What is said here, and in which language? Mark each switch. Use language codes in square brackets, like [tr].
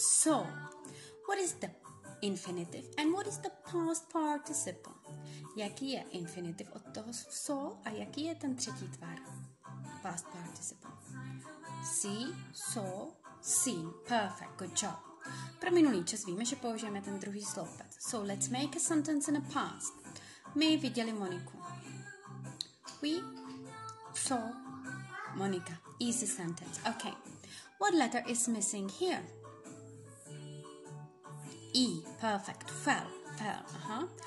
[en] So, what is the infinitive and what is the past participle? [cs] Jaký je infinitiv od toho so a jaký je ten třetí tvar? [en] Past participle. See, saw, seen. Perfect, good job. [cs] Pro minulý čas víme, že použijeme ten druhý sloupec. [en] So, let's make a sentence in the past. [cs] My viděli Moniku. [en] We saw Monika. Easy sentence. Okay. What letter is missing here? E. Perfect. Fell. Uh-huh.